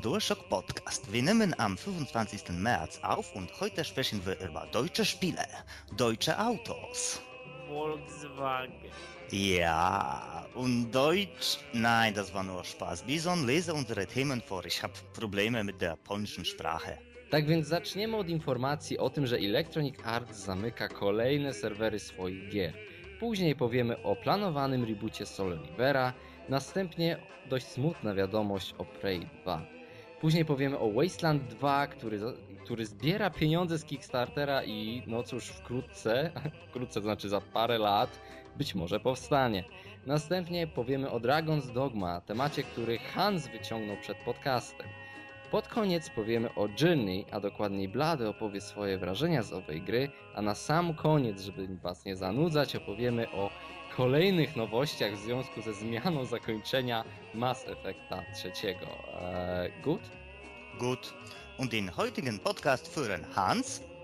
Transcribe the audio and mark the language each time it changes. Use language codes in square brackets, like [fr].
[de] DualShock-Podcast. Wir nehmen am 25. März auf und heute sprechen wir über deutsche Spiele, deutsche Autos. Volkswagen. Ja, und Deutsch? Nein, das war nur Spaß. Bison, lese unsere Themen vor. Ich habe Probleme mit der polnischen Sprache. [pl] Tak więc zaczniemy od informacji o tym, że Electronic Arts zamyka kolejne serwery swoich gier. Później powiemy o planowanym reboocie Soul Rivera, następnie dość smutna wiadomość o Prey 2. Później powiemy o Wasteland 2, który zbiera pieniądze z Kickstartera i no cóż, wkrótce, to znaczy za parę lat, być może powstanie. Następnie powiemy o Dragon's Dogma, temacie, który Hans wyciągnął przed podcastem. Pod koniec powiemy o Journey, a dokładniej Blady opowie swoje wrażenia z owej gry, a na sam koniec, żeby was nie zanudzać, opowiemy o kolejnych nowościach w związku ze zmianą zakończenia Mass Effecta 3. [en] Good? Good. [de] Und den heutigen Podcast führen Hans,